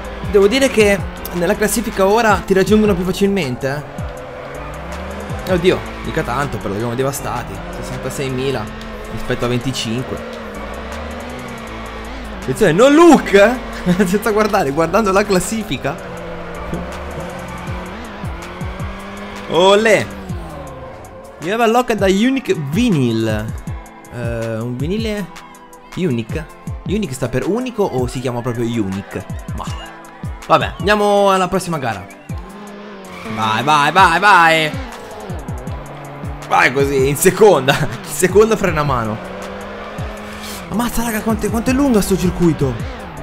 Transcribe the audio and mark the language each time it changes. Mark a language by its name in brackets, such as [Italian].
[Italian] Devo dire che nella classifica ora ti raggiungono più facilmente. Oddio, mica tanto, però li abbiamo devastati. 66.000 rispetto a 25. Attenzione, no look! Senza guardare, guardando la classifica. Olè! [English] You have a look at a unique vinyl. [Italian] Un vinile unique. Unique sta per unico o si chiama proprio unique? Ma vabbè, andiamo alla prossima gara. Vai, vai, vai, vai! Vai così, in seconda. Il secondo frena a mano. Ammazza raga, quanto è lungo sto circuito.